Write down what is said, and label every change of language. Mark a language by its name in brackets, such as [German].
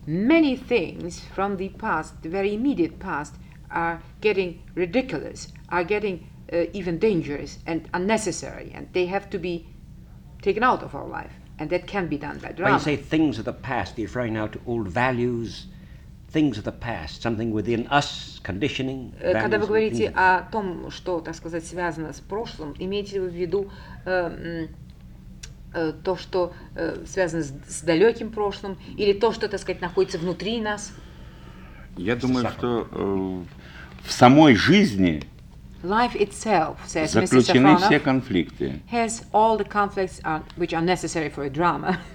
[English] So that many things from the past, the very immediate past, are getting ridiculous, are getting even dangerous and unnecessary, and they have to be taken out of our life, and that can be done by drama. When you say things of the past, you're referring now to old values, things of the past, something within us, conditioning. [Russian] Когда вы говорите о том, что, так сказать, связано с прошлым, имеете ли вы в виду то, что связано с далеким прошлым, или то, что, так сказать, находится внутри нас? Я думаю, что в самой жизни [English] life itself, says [Russian] заключены [English] Mr. Safronov, [Russian] все конфликты. [English] Has all the conflicts which are necessary for a drama.